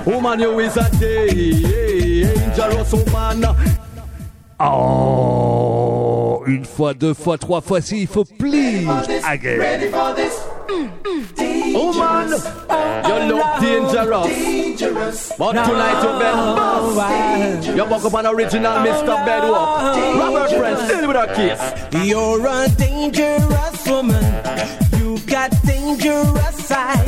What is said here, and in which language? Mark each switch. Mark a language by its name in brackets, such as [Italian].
[English] Woman, you is a dangerous woman. [French] Oh, une fois, deux fois, trois fois, s'il faut, [English] please, again. Ready for this? Woman, you look dangerous. But tonight you're dangerous. You walk up an original Mr. Bedwalk. Robert Prince, still with a kiss. You're a dangerous woman. Got dangerous eyes.